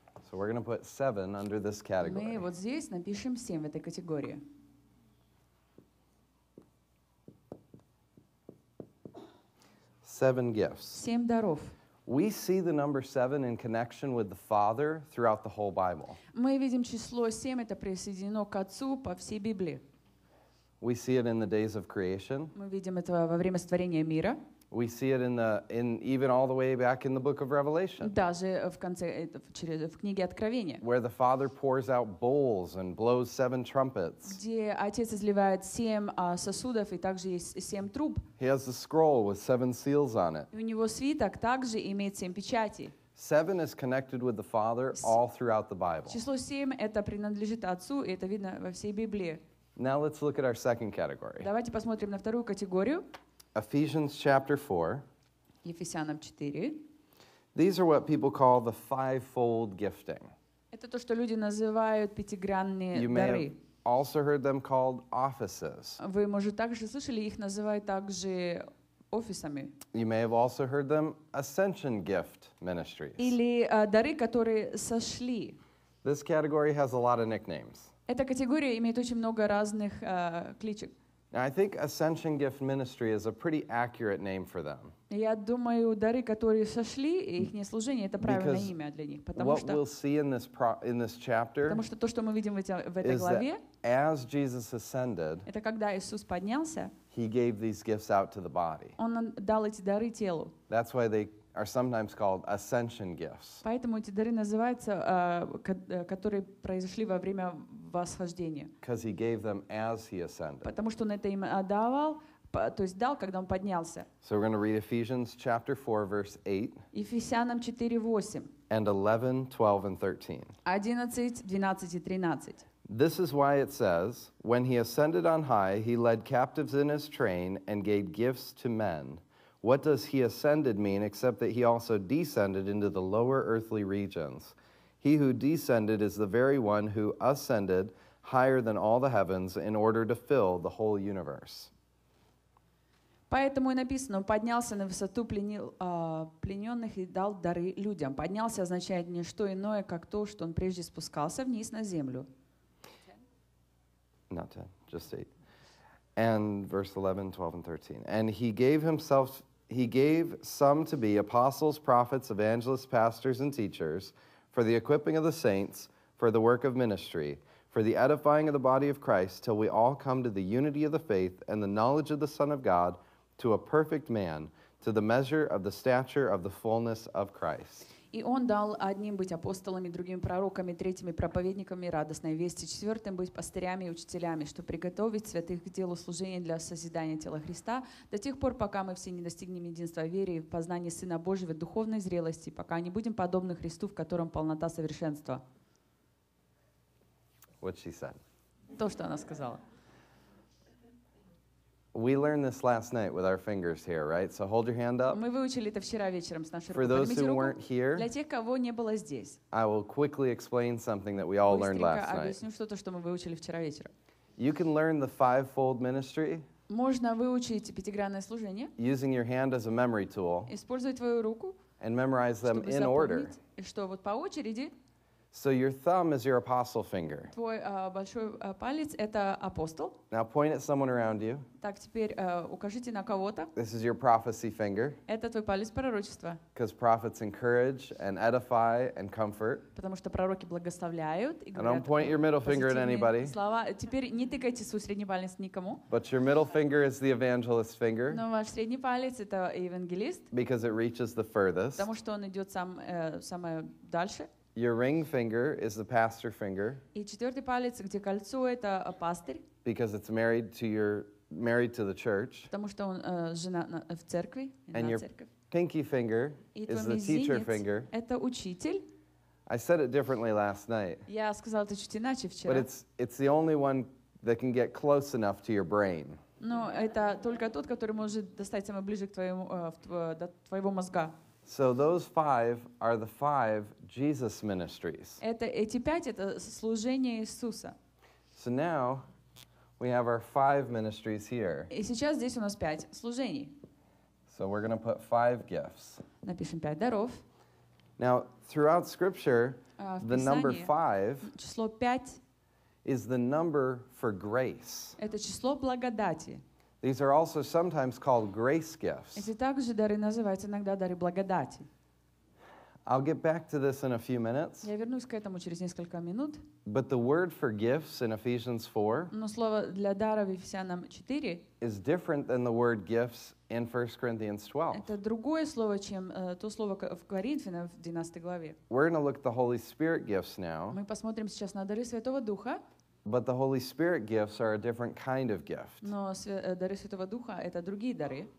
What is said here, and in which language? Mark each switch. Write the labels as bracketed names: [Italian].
[English] So we're going to put seven under this category. [Russian] Мы вот здесь напишем семь в этой категории. [English] Seven gifts. [Russian] Семь даров. [English] We see the number seven in connection with the Father throughout the whole Bible. [Russian] Мы видим число семь, это присоединено к Отцу по всей Библии. [English] We see it in the days of creation. [Russian] Мы видим это во время сотворения мира. [English] We see it in even all the way back in the book of Revelation. [Russian] Даже в конце в книге Откровения. [English] Where the Father pours out bowls and blows seven trumpets. [Russian] Где Отец изливает семь сосудов и также есть семь труб. [English] He has a scroll with seven seals on it. [Russian] У него свиток также имеет семь печатей. [English] Seven is connected with the Father all throughout the Bible. [Russian] Число семь это принадлежит Отцу и это видно во всей Библии. [English] Now let's look at our second category. [Russian] Давайте посмотрим на вторую категорию. [English] Ephesians chapter 4. [Russian] Ефесянам 4. [English] These are what people call the fivefold gifting. [Russian] Это то, что люди называют пятигранные дары. [English] Also heard them called offices. [Russian] Вы, может, также слышали, их называют также офисами. [English] You may have also heard them ascension gift ministries. [Russian] Или дары, которые сошли. [English] This category has a lot of nicknames. [Russian] Эта категория имеет очень много разных кличек. [English] Now, I think Ascension Gift Ministry is a pretty accurate name for them. [Russian] Я думаю, дары, которые сошли, их не служение, это правильное имя для них, потому [English] what [Russian] что. [English] What we'll see in this chapter. [Russian] Потому что то, что мы видим в этой главе. [English] As Jesus ascended. [Russian] Это когда Иисус поднялся. [English] He gave these gifts out to the body. [Russian] Он дал эти дары телу. [English] That's why they are sometimes called Ascension Gifts. [Russian] Поэтому эти дары называются, которые произошли во время восхождения. [English] Because he gave them as he ascended. [Russian] Потому что он это им отдавал, то есть дал, когда он поднялся. [English] So we're going to read Ephesians chapter 4, verse 8. [Russian] Ефесянам 4, 8. [English] And 11, 12, and 13. [Russian] 11, 12, и 13. [English] This is why it says, when he ascended on high, he led captives in his train and gave gifts to men. What does he ascended mean except that he also descended into the lower earthly regions? He who descended is the very one who ascended higher than all the heavens in order to fill the whole universe. [Russian] Поэтому и написано, он поднялся на высоту, пленил плененных и дал дары людям. Поднялся означает не что иное, как то, что он прежде спускался вниз на землю. [English] Not ten, just eight. And verse 11, 12, and 13. And he gave some to be apostles, prophets, evangelists, pastors, and teachers, for the equipping of the saints, for the work of ministry, for the edifying of the body of Christ, till we all come to the unity of the faith and the knowledge of the Son of God, to a perfect man, to the measure of the stature of the fullness of Christ. [Russian] И он дал одним быть апостолами, другими пророками, третьими проповедниками радостной вести, четвертым быть пастырями и учителями, чтобы приготовить святых к делу служения для созидания тела Христа до тех пор, пока мы все не достигнем единства веры и познания Сына Божьего, духовной зрелости, пока не будем подобны Христу, в котором полнота совершенства. [English] What she said. [Russian] То, что она сказала. [English] We learned this last night with our fingers here, right? So hold your hand up. [Russian] Мы выучили это вчера вечером с нашей рукой. [English] For those who weren't here, [Russian] для тех, кого не было здесь, [English] I will quickly explain something that we all learned last night. [Russian] Быстренько объясню что-то, что мы выучили вчера вечером. [English] You can learn the fivefold ministry. [Russian] Можно выучить пятигранное служение. [English] Using your hand as a memory tool. [Russian] Используя твою руку. [English] And memorize them in order. [Russian] Что вот по очереди. [English] So your thumb is your apostle finger. [Russian] Твой большой палец это апостол. [English] Now point at someone around you. [Russian] Так теперь укажите на кого-то. [English] This is your prophecy finger. [Russian] Это твой палец пророчества. [English] Because prophets encourage and edify and comfort. [Russian] Потому что пророки благословляют и говорят. [English] And don't point your middle finger at anybody. [Russian] Слова. Теперь не тыкайте свой средний палец никому. [English] But your middle finger is the evangelist finger. [Russian] Но ваш средний палец это евангелист. [English] Because it reaches the furthest. [Russian] Потому что он идет самое дальше. [English] Your ring finger is the pastor finger. [Russian] И четвертый палец, где кольцо, это пастырь. [English] Because it's married to your married to the church. [Russian] Потому что он женат в церкви. [English] And your pinky finger is the teacher finger. [Russian] Это учитель. [English] I said it differently last night. [Russian] Я сказал это чуть иначе вчера. [English] But it's the only one that can get close enough to your brain. [Russian] Но это только тот, который может достать самое ближе к твоему до твоего мозга. [English] So those five are the five Jesus ministries. [Russian] Это эти пять это служение Иисуса. [English] So now we have our five ministries here. [Russian] И сейчас здесь у нас пять служений. [English] So we're going to put five gifts. [Russian] Напишем пять даров. [English] Now throughout Scripture, the number five [Russian] число пять [English] is the number for grace. [Russian] Это число благодати. [English] These are also sometimes called grace gifts. [Russian] Эти также дары называются иногда дары благодати. [English] I'll get back to this in a few minutes. [Russian] Я вернусь к этому через несколько минут. [English] But the word for gifts in Ephesians 4. [Russian] Но слово для даров в Ефесянам 4. [English] Is different than the word gifts in 1 Corinthians 12. [Russian] Это другое слово, чем то слово в Коринфянам в 12 главе. [English] We're going to look at the Holy Spirit gifts now. [Russian] Мы посмотрим сейчас на дары Святого Духа. [English] But the Holy Spirit gifts are a different kind of gift. [Russian] Но дары Святого Духа это другие дары.